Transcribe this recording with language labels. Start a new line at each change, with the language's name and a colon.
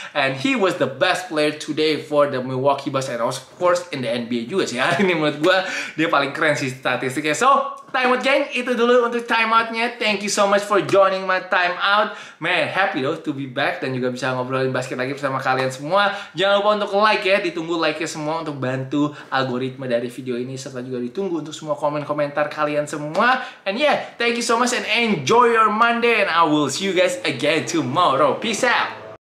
English: And he was the best player today for the Milwaukee Bucks and of course in the NBA
Indonesian: juga sih. Hari ini menurut gue dia paling keren sih statistiknya.
English: So, timeout gang,
Indonesian: itu dulu untuk timeoutnya.
English: Thank you so much for joining my timeout. Man, happy though to be back
Indonesian: dan juga bisa ngobrolin basket lagi bersama kalian semua. Jangan lupa untuk like ya, ditunggu like-nya semua untuk bantu algoritma dari video ini. Serta juga ditunggu untuk semua komen-komentar kalian semua.
English: And yeah, thank you so much and enjoy your Monday. And I will see you guys again tomorrow. Peace out.